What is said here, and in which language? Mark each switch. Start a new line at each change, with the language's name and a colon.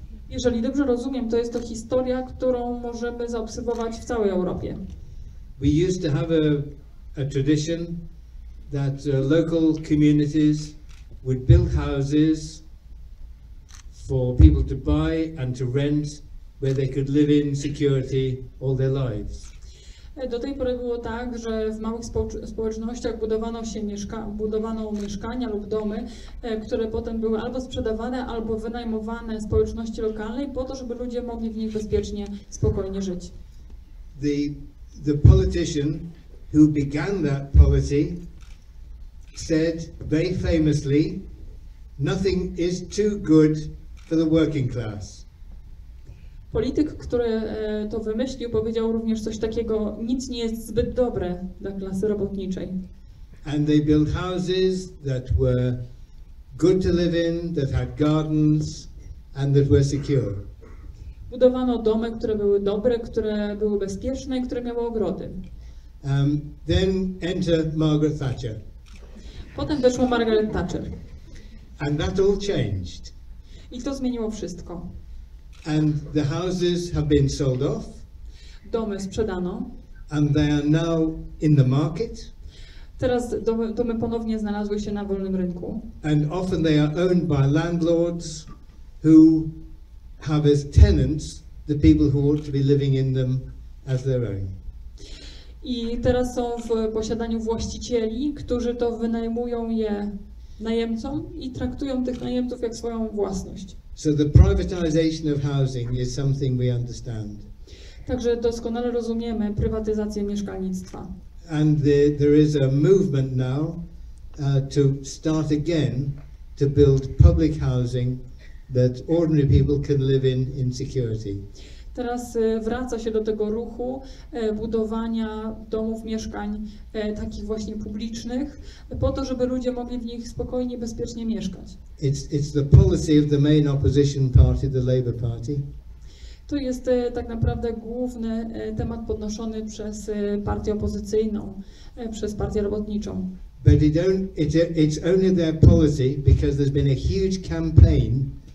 Polish: Jeżeli dobrze rozumiem, to jest to historia, którą możemy zaobserwować w całej Europie.
English: We used to have a tradition that local communities would build houses for people to buy and to rent, where they could live in security all their lives.
Polish: Do tej pory było tak, że w małych społecznościach budowano mieszkania lub domy, które potem były albo sprzedawane, albo wynajmowane społeczności lokalnej po to, żeby ludzie mogli w nich bezpiecznie, spokojnie żyć.
English: The politician who began that policy said very famously, nothing is too good for the working class.
Polish: Polityk, który to wymyślił, powiedział również coś takiego: nic nie jest zbyt dobre dla klasy robotniczej.
English: And they built houses that were good to live in, that had gardens and that were secure.
Polish: Budowano domy, które były dobre, które były bezpieczne, które miały ogrody.
English: Then enter Margaret Thatcher.
Polish: Potem weszła Margaret Thatcher.
English: And that all changed.
Polish: I to zmieniło wszystko.
English: And the houses have been sold off.
Polish: Domy sprzedano.
English: And they are now in the market.
Polish: Teraz domy ponownie znalazły się na wolnym rynku.
English: And often they are owned by landlords who have as tenants the people who ought to be living in them as their own.
Polish: I teraz są w posiadaniu właścicieli, którzy to wynajmują je najemcom i traktują tych najemców jak swoją własność.
English: So the privatization of housing is something we understand.
Polish: Także doskonale rozumiemy prywatyzację mieszkalnictwa.
English: And there is a movement now to start again to build public housing that ordinary people can live in security.
Polish: Teraz wraca się do tego ruchu budowania domów, mieszkań takich właśnie publicznych po to, żeby ludzie mogli w nich spokojnie, bezpiecznie mieszkać.
English: It's the policy of the main opposition party, the Labour Party.
Polish: To jest tak naprawdę główny temat podnoszony przez partię opozycyjną, przez partię robotniczą.
English: But it's only their policy because there's been a huge campaign